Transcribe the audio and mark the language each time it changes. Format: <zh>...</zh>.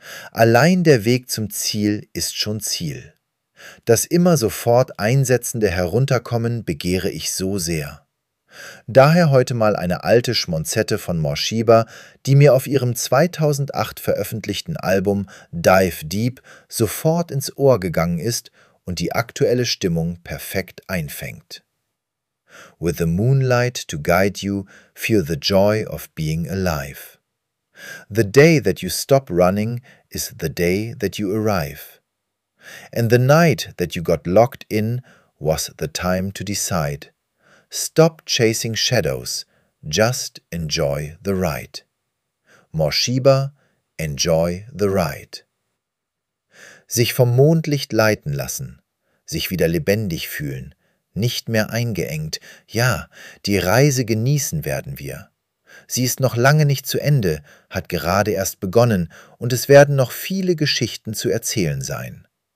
<de>Allein der Weg zum Ziel ist schon Ziel. Das immer sofort einsetzende Herunterkommen begehre ich so sehr. Daher heute mal eine alte Schmonzette von Morshiba, die mir auf ihrem 2008 veröffentlichten Album Dive Deep sofort ins Ohr gegangen ist und die aktuelle Stimmung perfekt einfängt.</de> <en>With the moonlight to guide you, feel the joy of being alive. The day that you stop running is the day that you arrive. And the night that you got locked in was the time to decide. Stop chasing shadows, just enjoy the ride. Morshiba, enjoy the ride.</en> <de>Sich vom Mondlicht leiten lassen, sich wieder lebendig fühlen, nicht mehr eingeengt, ja, die Reise genießen werden wir. Sie ist noch lange nicht zu Ende, hat gerade erst begonnen und es werden noch viele Geschichten zu erzählen sein.</de>